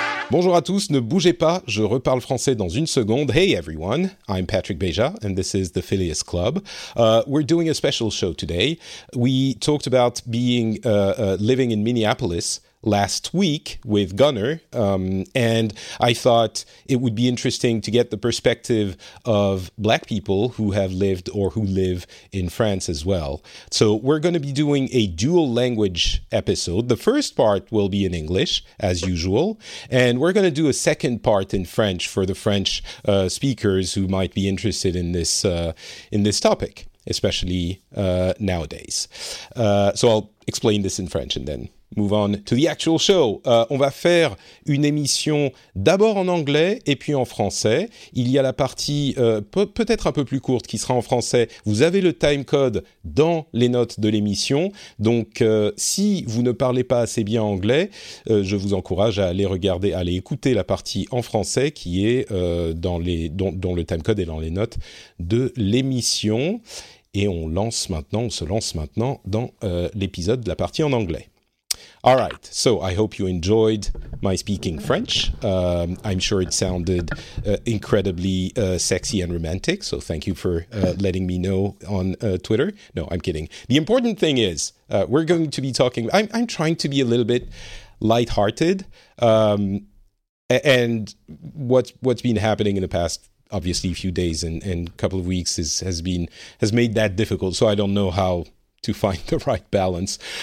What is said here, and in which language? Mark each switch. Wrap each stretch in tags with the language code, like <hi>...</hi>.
<fr>Bonjour à tous, ne bougez pas, je reparle français dans une seconde.</fr> <en>Hey everyone, I'm Patrick Beja and this is the Phileas Club. We're doing a special show today. We talked about being living in Minneapolis last week with Gunnar, and I thought it would be interesting to get the perspective of Black people who have lived or who live in France as well. So we're going to be doing a dual language episode. The first part will be in English, as usual, and we're going to do a second part in French for the French speakers who might be interested in this topic, especially nowadays. So I'll explain this in French and then move on to the actual show.</en> <fr>On va faire une émission d'abord en anglais et puis en français. Il y a la partie peut-être un peu plus courte qui sera en français. Vous avez le time code dans les notes de l'émission. Donc, si vous ne parlez pas assez bien anglais, je vous encourage à aller regarder, à aller écouter la partie en français qui est dans les dont le time code est dans les notes de l'émission. Et on lance maintenant, on se lance maintenant dans l'épisode de la partie en anglais.</fr> <en>All right, so I hope you enjoyed my speaking French. I'm sure it sounded incredibly sexy and romantic, so thank you for letting me know on Twitter. No, I'm kidding. The important thing is we're going to be talking... I'm trying to be a little bit lighthearted, and what's been happening in the past, obviously, a few days and a couple of weeks has made that difficult, so I don't know how to find the right balance.</en>